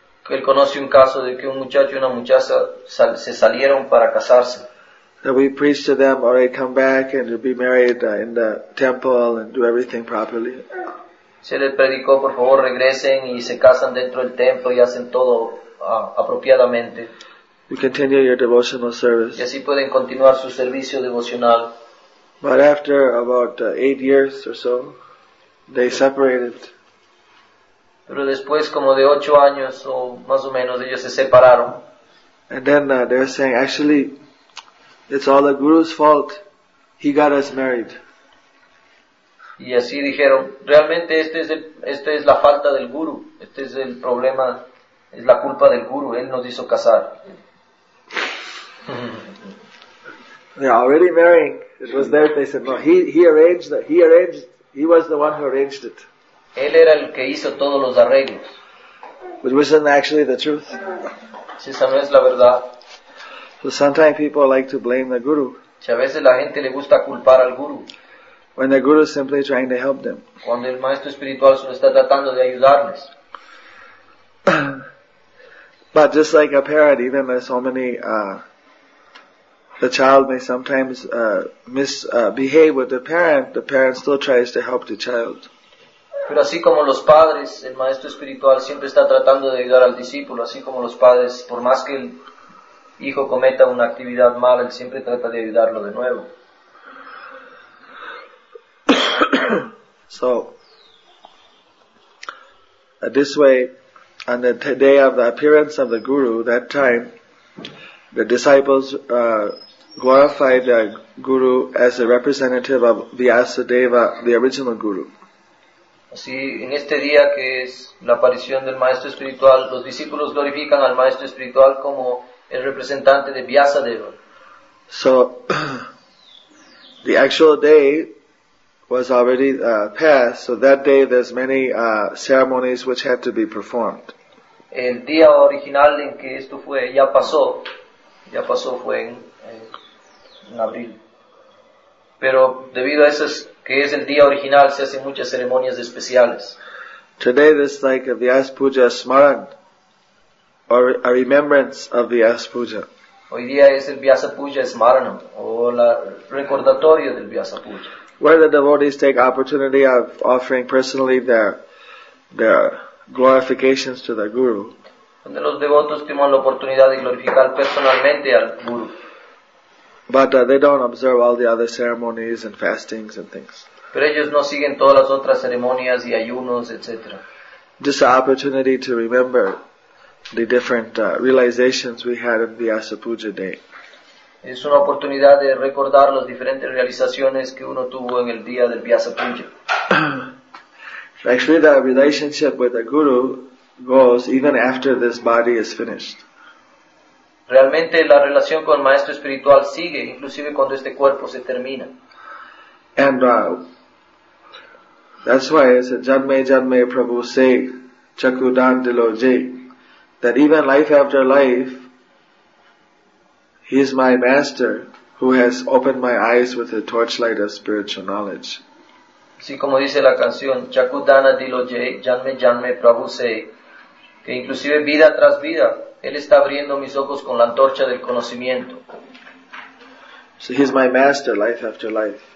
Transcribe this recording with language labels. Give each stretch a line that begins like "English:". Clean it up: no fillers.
Spanish: Él conoce un caso de que un muchacho y una muchacha se salieron para casarse.
English: That we preach to them, all right, come back and you'll be married in the temple and do everything properly.
Spanish: Se les predicó, por favor, regresen y se casan dentro del templo y hacen todo apropiadamente.
English: You continue your devotional service.
Spanish: Y así pueden continuar su servicio devocional.
English: But after about 8 years or so, they separated.
Spanish: Pero después, como de 8 años o más o menos, ellos se separaron.
English: And then they're saying, actually, it's all the guru's fault. He got us married.
Spanish: Y así dijeron, realmente este es la falta del guru. Este es el problema, es la culpa del guru. Él nos hizo casar.
English: They're already marrying. It was there. They said, no, he arranged. He was the one who arranged it.
Spanish: Él era el que hizo todos los arreglos.
English: Which wasn't actually the truth.
Spanish: Si esa no es la verdad.
English: So sometimes people like to blame the guru.
Spanish: Si a veces la gente le gusta culpar al guru.
English: When the guru is simply trying to help them.
Spanish: Cuando el maestro espiritual solo está tratando de ayudarles.
English: But just like a parent, even there's so many, the child may sometimes misbehave with the parent still tries to help the child.
Spanish: Pero así como los padres, el maestro espiritual siempre está tratando de ayudar al discípulo, así como los padres, por más que el hijo cometa una actividad mala, él siempre trata de ayudarlo de nuevo.
English: So, this way, on the day of the appearance of the guru, that time, the disciples glorified the guru as a representative of Vyasadeva, the original guru.
Spanish: Así, en este día que es la aparición del maestro espiritual, los discípulos glorifican al maestro espiritual como el representante de Vyasadeva.
English: So, the actual day was already passed, so that day there's many ceremonies which had to be performed.
Spanish: El día original en que esto fue, ya pasó fue en abril. Pero debido a eso que es el día original, se hacen muchas ceremonias especiales.
English: Today there's like a Vyas Puja Smaran, or a remembrance of Vyas Puja.
Spanish: Hoy día es el Vyasa Puja Smaranam, o la recordatorio del Vyasa Puja.
English: Where the devotees take opportunity of offering personally their glorifications to the guru.
Spanish: Donde los devotos toman la oportunidad de glorificar personalmente al guru.
English: But they don't observe all the other ceremonies and fastings and things.
Spanish: Pero ellos no siguen todas las otras ceremonias y ayunos, etc.
English: Just an opportunity to remember the different realizations we had in the Vyasa Puja day.
Spanish: Es una oportunidad de recordar las diferentes realizaciones que uno tuvo en el día del Vyasa Puja.
English: Actually, the relationship with the guru goes even after this body is finished.
Spanish: Realmente la relación con el maestro espiritual sigue, inclusive cuando este cuerpo se termina.
English: And that's why it's a
Bangla: janme janme prabhu se chakudan diloje,
English: that even life after life, he is my master who has opened my eyes with the torchlight of spiritual knowledge.
Spanish: Sí, como dice la canción,
Bangla: chakudana diloje, janme janme prabhu se,
Spanish: que inclusive vida tras vida, él está abriendo mis ojos con la antorcha del conocimiento.
English: So he's my master, life after life.